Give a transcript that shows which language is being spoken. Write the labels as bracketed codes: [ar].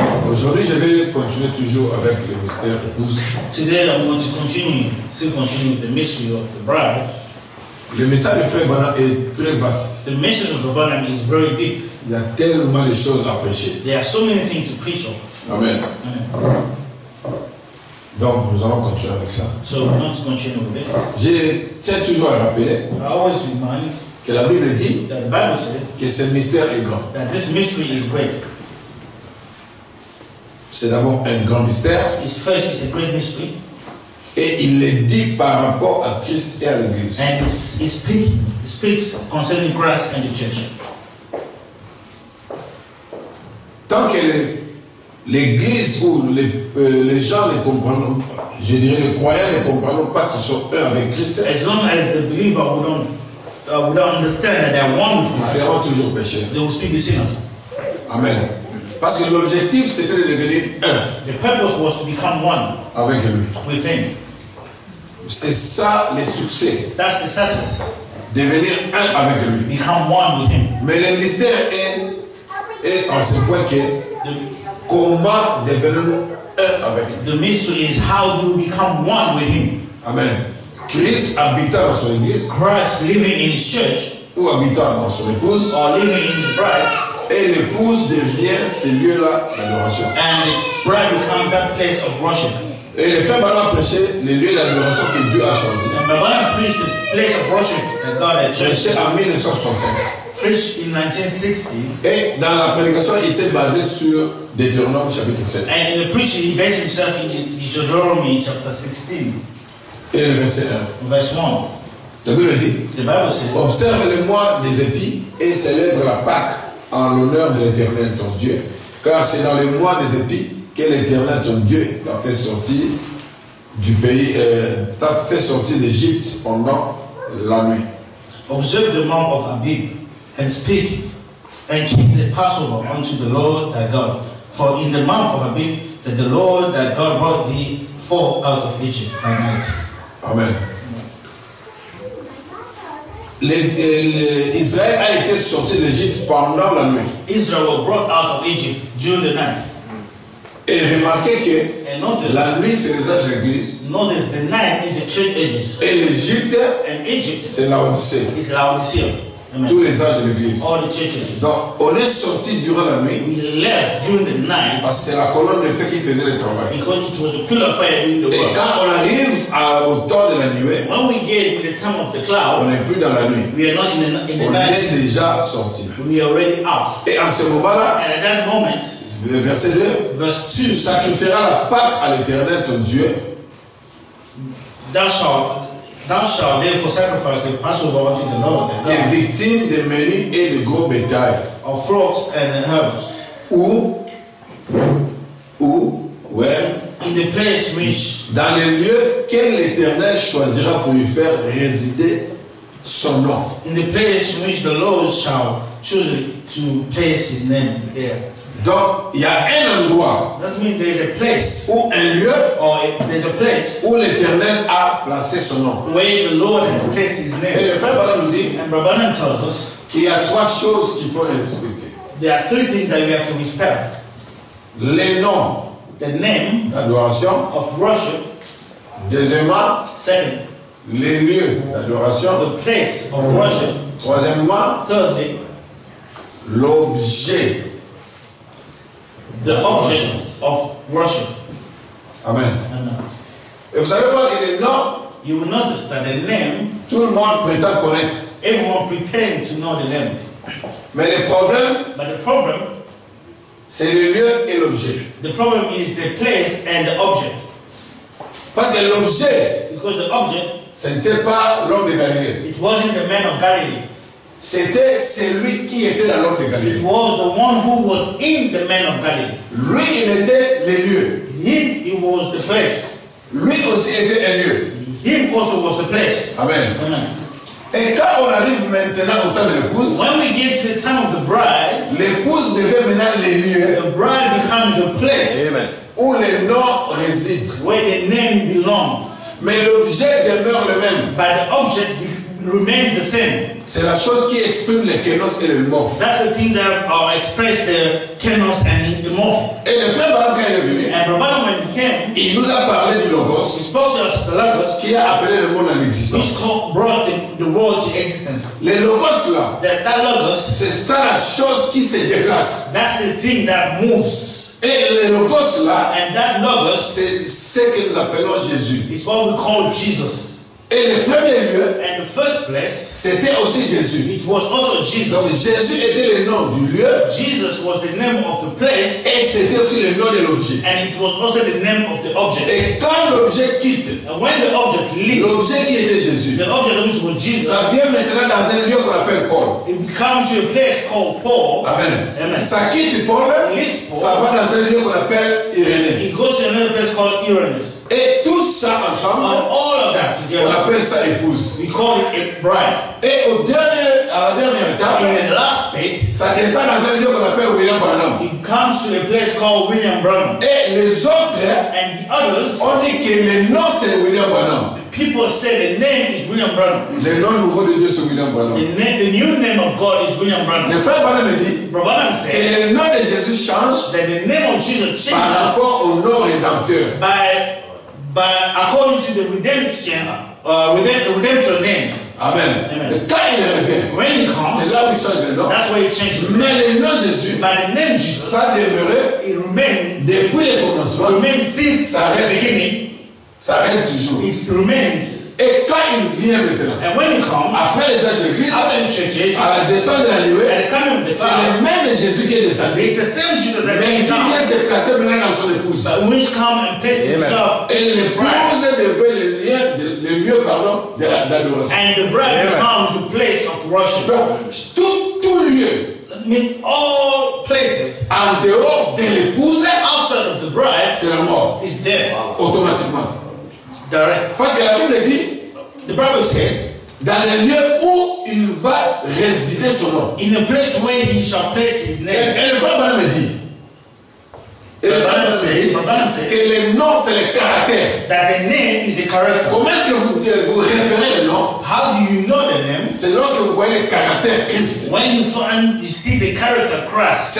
[fr] Aujourd'hui, je vais continuer toujours avec le mystère de l'épouse. [en] Today, I'm going to continue with the mystery of the bride. [fr] Le message de Frère Branham est très vaste. [en] The message of Frère Branham is very deep. [fr] Il y a tellement de choses à prêcher. [en] There are so many things to preach of. [fr] Amen. Donc, nous allons continuer avec ça. [en] So, we're going to continue with it. [fr] Je tiens toujours à rappeler. [en] I always remind. [fr] Que la Bible dit [en] the Bible says [fr] que ce mystère est grand. [en] That this mystery is great. [fr] C'est d'abord un grand mystère. [en] It's first, it's a great mystery. [fr] Et il le dit par rapport à Christ et à l'Église. [en] And it speaks concerning Christ and the church. [fr] Tant que l'Église ou les gens ne comprennent, je dirais les croyants ne comprennent pas qu'ils sont un avec Christ. [en] As long as the believer will not. We don't understand that they are one with Christ. [fr] Ils seront toujours péchés. [en] They will still be sinners. [fr] Amen. Parce que l'objectif c'était de devenir un. [en] The purpose was to become one. [fr] Avec lui. [en] With him. [fr] C'est ça le succès. [en] That's the success. [fr] Devenir un avec lui. [en] Become one with him. [fr] Mais le mystère est en ce point que comment devenons-nous un avec lui? [en] The mystery is how do we become one with him? [fr] Amen. Christ habitant dans son église. [en] Christ living in his church. [fr] Ou habitant dans son épouse. [en] Or living in his bride. [fr] Et l'épouse devient ce lieu-là d'adoration. [en] And the bride becomes that place of worship. [fr] Et le fait maintenant prêcher le lieu d'adoration que Dieu a choisi. [en] And the man preached the place of worship that God had chosen. [fr] Prêché en 1965. [en] Preached in 1960. [fr] Et dans la prédication, il s'est basé sur Deutéronome chapitre 7. [en] And in the preaching, he based himself in Deutéronome chapter 16. [fr] Et le verset 1. [en] Verse 1. [fr] La Bible dit. [en] The Bible says, [fr] observe le mois des épis et célèbre la Pâque en l'honneur de l'Éternel ton Dieu. Car c'est dans le mois des épis que l'Éternel ton Dieu t'a fait sortir du pays, t'a fait sortir d'Égypte pendant la nuit. [en] Observe the month of Abib and speak and keep the Passover unto the Lord thy God. For in the month of Abib that the Lord thy God brought thee forth out of Egypt by night. Amen. [fr] Israël a été sorti d'Égypte pendant la nuit. [en] Israel was brought out of Egypt during the night. [fr] Et remarquez que la nuit c'est les âges de l'église. [en] Notice the night is the three ages. [fr] Et l'Égypte. [en] And Egypt. [fr] C'est la Odyssée. [en] It's la Odyssée. [fr] Tous les âges de l'église. [en] All the churches. [fr] Donc on est sorti durant la nuit. [en] We left during the night. [fr] Parce que c'est la colonne de feu qui faisait le travail. [en] Because it was the pillar of fire in the world. [fr] Et quand on arrive au temps de la nuit. [en] When we get to the time of the cloud. [fr] On n'est plus dans la nuit. [en] We are not in the night. [fr] On est déjà sorti. [en] We are already out. [fr] Et en ce moment-là. [en] And at that moment. [fr] Verset 2, [en] verse 2, [fr] tu sacrifieras la Pâque à l'Éternel ton Dieu. [en] Thou shalt therefore sacrifice the Passover unto the Lord. [fr] Des victimes de menu et de gros bétail. [en] Of flocks and herds. [fr] Où? [en] Where? In the place which. [fr] Dans les lieux que l'Éternel choisira pour lui faire résider son nom. [en] In the place which the Lord shall choose to place his name there. [fr] Donc, il y a un endroit. [en] That means there is a place. [fr] Ou un lieu. [en] Or there's a place. [fr] Où l'Éternel a placé son nom. [en] Where the Lord has placed his name. [fr] Et le frère Barnabas nous dit. [en] And Barnabas tells us. [fr] Qu'il y a trois choses qu'il faut respecter. [en] There are three things that you have to respect. [fr] Le nom. [en] The name. [fr] D'adoration. [en] Of worship. [fr] Deuxièmement. [en] Second. [fr] Les lieux d'adoration. [en] The place of worship. [fr] Troisièmement. [en] Thirdly. [fr] L'objet. [en] The object of worship. [fr] Amen. [en] Amen. [fr] Et vous savez quoi, il est nom. [en] You will notice that the name. [fr] Tout le monde prétend connaître. [en] Everyone pretend to know the name. [fr] Mais le problème. [en] But the problem. [fr] C'est le lieu et l'objet. [en] The problem is the place and the object. [fr] Parce que l'objet. [en] Because the object. [fr] Ce n'était pas l'homme de Galilée. [en] It wasn't the man of Galilee. [fr] C'était celui qui était dans l'homme de Galilée. [en] It was the one who was in the man of Galilee. [fr] Lui, il était le lieu. [en] He was the place. [fr] Lui aussi était un lieu. [en] He also was the place. [fr] Amen. [en] Amen. [fr] Et quand on arrive maintenant au temps de l'épouse, [en] when we get to the time of the bride, [fr] l'épouse devient maintenant le lieu. [en] The bride becomes the place. [fr] Amen. Où le nom réside. [en] Where the name belongs. [fr] Mais l'objet demeure le même. [en] But the object remains the same. [fr] C'est la chose qui exprime le kénos et le morph. [en] That's the thing that express the kénos and the morph. [fr] Et le frère Barak est venu. [en] And Barak, when he came, [fr] il nous a parlé du logos. [en] He spoke to us the logos. [fr] Qui a appelé le monde à l'existence. [en] Which brought the world to existence. [fr] Le logos là. [en] That logos. [fr] C'est ça la chose qui se déplace. [en] That's the thing that moves. [fr] Et le logos là. [en] And that logos. [fr] C'est ce que nous appelons Jésus. [en] It's what we call Jesus. [fr] Et le premier lieu, [en] and the first place, [fr] c'était aussi Jésus. [en] It was also Jesus. [fr] Donc Jésus était le nom du lieu. [en] Jesus was the name of the place. [fr] Et c'était aussi le nom de l'objet. [en] And it was also the name of the object. [fr] Et quand l'objet quitte, [en] and when the object leaves, [fr] l'objet qui était Jésus, [en] the object that was Jesus, [fr] ça vient maintenant dans un lieu qu'on appelle Paul. [en] It becomes a place called Paul. [fr] Amen. [en] Amen. [fr] Ça quitte Paul, [en] leaves Paul, [fr] ça va dans un lieu qu'on appelle Irénée. [en] It goes to another place called Irénée. [fr] Et tout ça ensemble, [en] all of that together, [fr] on appelle ça épouse. [en] We call it a bride. [fr] Et au dernier, à la dernière étape, [en] in the last page, [fr] ça descend dans un lieu qu'on appelle William Branham. [en] It comes to a place called William Branham. [fr] Et les autres, [en] and the others, [fr] on dit que le nom c'est William Branham. [en] People say the name is William Branham. [fr] Le nom nouveau de Dieu c'est William Branham. [en] The new name of God is William Branham. [fr] Le frère Branham dit, [en] Branham said, [fr] que le nom de Jésus change, [en] that the name of Jesus changes, [fr] par rapport au nom rédempteur. [en] But according to the redemption, redemption name. [fr] Amen. [en] Amen. [fr] Quand il revient, [en] when he comes, [fr] c'est là où il change le nom. [en] That's why he changed the name. [fr] Mais le nom Jésus, [en] by the name Jesus, [fr] ça demeurait, [en] it remained, [fr] depuis le commencement, [en] remained since [fr] ça reste, [en] the beginning, [fr] ça reste toujours. [en] It remains. [fr] Et quand il vient maintenant, [en] and when he comes, [fr] après les âges de l'Église, [en] after the churches, [fr] à la descente de la nuée, [en] at the coming of the [fr] sun, c'est le même Jésus qui est descendu. [en] It's the same Jesus that came down. [fr] Mais qui vient se placer maintenant dans son épouse. [en] Which come and place himself. [fr] Et l'épouse devait le lieu, pardon, de la d'adoration. [en] And the bride becomes the place of worship. [fr] Donc, tout lieu. [en] I mean all places. [fr] En dehors de l'épouse, [en] outside of the bride, [fr] c'est la mort. [en] Is there [fr] automatiquement. [en] Direct. [fr] Parce que la Bible dit, [en] the Bible says, [fr] dans le lieu où il va résider son nom. [en] In the place where he shall place his name. [fr] Et le frère Branham dit, c'est que les noms c'est le caractère. [en] That the name is the character. [fr] Comment est-ce que vous repérez le nom? [en] How do you know the name? [fr] C'est lorsque vous voyez le caractère Christ. [en] When you find you see the character Christ.